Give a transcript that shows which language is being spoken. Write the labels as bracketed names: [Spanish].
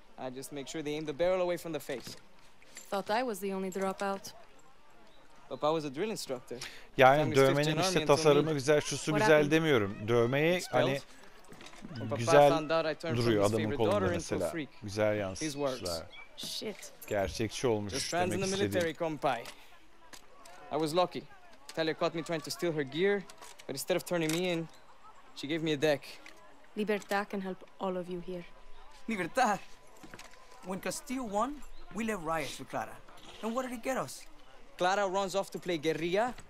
[English] I just make sure they aim the barrel away from the face. Thought I was the only dropout. Papa was a drill instructor. [Turkish] Yani dövmenin işte tasarımı güzel, şusu güzel demiyorum. Dövmeyi hani güzel duruyor adamın kolunda mesela. Güzel yansıtmışlar. [English] Shit. [Turkish] Gerçekçi olmuş demek istediğim. [English] I was lucky. Talia caught me trying to steal her gear, but instead of turning me in, she gave me a deck. Libertad can help all of you here. Libertad. When Castillo won, we left riots with Clara. And what did it get us? Clara runs off to play guerrilla.